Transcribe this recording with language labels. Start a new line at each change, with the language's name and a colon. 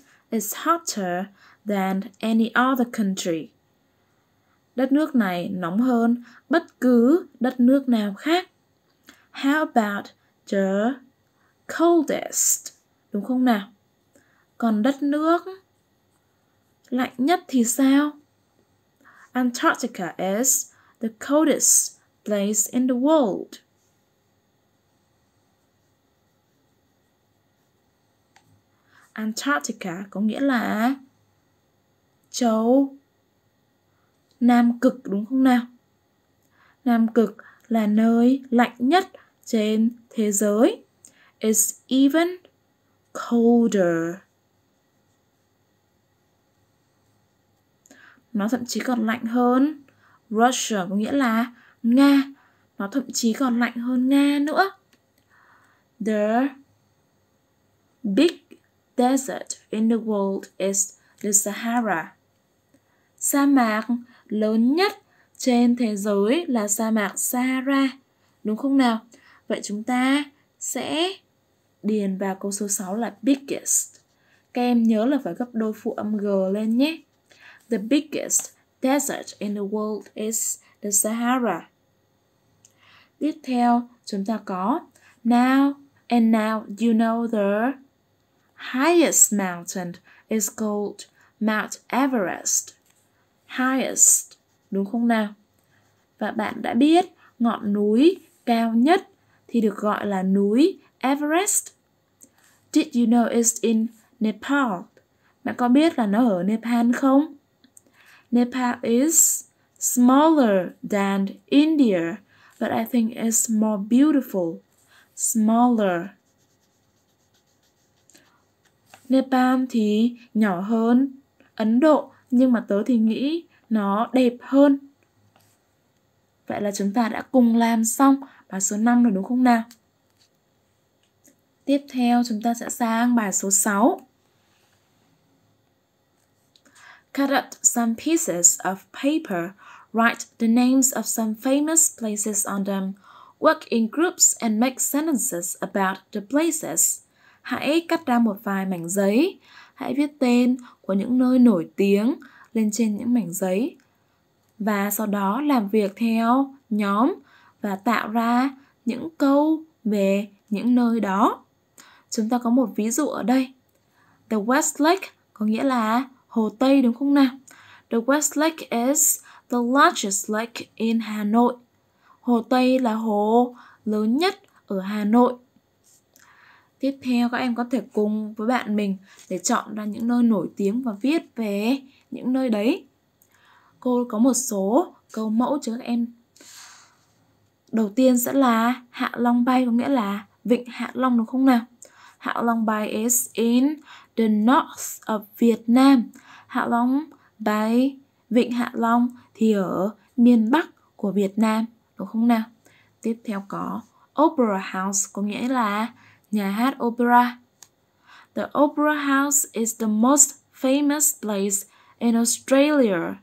English: It's hotter than any other country.
Vietnamese: Đất nước này nóng hơn bất cứ đất nước nào khác.
English: How about the coldest?
Vietnamese: Đúng không nào? Còn đất nước lạnh nhất thì sao?
English: Antarctica is the coldest place in the world.
Vietnamese: Antarctica có nghĩa là châu Nam Cực đúng không nào? Nam Cực là nơi lạnh nhất trên thế giới.
English: It's even colder.
Vietnamese: Nó thậm chí còn lạnh hơn Russia có nghĩa là Nga. Nó thậm chí còn lạnh hơn Nga nữa.
English: The big desert in the world is the Sahara.
Vietnamese: Sa mạc lớn nhất trên thế giới là sa mạc Sahara. Đúng không nào? Vậy chúng ta sẽ điền vào câu số 6 là biggest. Các em nhớ là phải gấp đôi phụ âm G lên nhé.
English: The biggest desert in the world is the Sahara.
Vietnamese: Tiếp theo, chúng ta có
English: now you know the highest mountain is called Mount Everest.
Vietnamese: Highest, đúng không nào? Và bạn đã biết ngọn núi cao nhất thì được gọi là núi Everest.
English: Did you know it's in Nepal?
Vietnamese: Bạn có biết là nó ở Nepal không?
English: Nepal is smaller than India, but I think it's more beautiful. Smaller.
Vietnamese: Nepal thì nhỏ hơn Ấn Độ, nhưng mà tớ thì nghĩ nó đẹp hơn. Vậy là chúng ta đã cùng làm xong bài số 5 rồi đúng không nào? Tiếp theo chúng ta sẽ sang bài số 6.
English: Cut up some pieces of paper, write the names of some famous places on them. Work in groups and make sentences about the places.
Vietnamese: Hãy cắt ra một vài mảnh giấy. Hãy viết tên của những nơi nổi tiếng lên trên những mảnh giấy. Và sau đó làm việc theo nhóm và tạo ra những câu về những nơi đó. Chúng ta có một ví dụ ở đây. The West Lake có nghĩa là Hồ Tây đúng không nào?
English: The West Lake is the largest lake in Hà Nội.
Vietnamese: Hồ Tây là hồ lớn nhất ở Hà Nội. Tiếp theo các em có thể cùng với bạn mình để chọn ra những nơi nổi tiếng và viết về những nơi đấy. Cô có một số câu mẫu cho các em. Đầu tiên sẽ là Hạ Long Bay có nghĩa là Vịnh Hạ Long đúng không nào?
English: Hạ Long Bay is in the north of Vietnam.
Vietnamese: Hạ Long Bay, Vịnh Hạ Long thì ở miền Bắc của Việt Nam, đúng không nào? Tiếp theo có Opera House có nghĩa là nhà hát opera.
English: The Opera House is the most famous place in Australia.